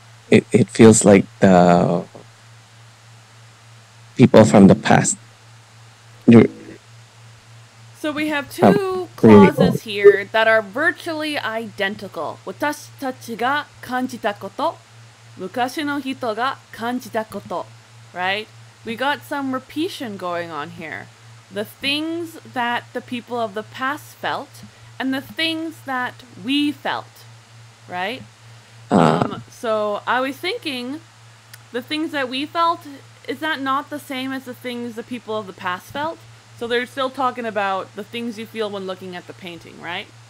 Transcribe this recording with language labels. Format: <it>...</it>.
<en>It feels like the people from the past. So we have two clauses here that are virtually identical.</en> <ja>私たちが感じたこと、昔の人が感じたこと。</ja> <en>Right? We got some repetition going on here. The things that the people of the past felt and the things that we felt. Right? So I was thinking the things that we felt... Is that not the same as the things the people of the past felt? So they're still talking about the things you feel when looking at the painting, right?</en>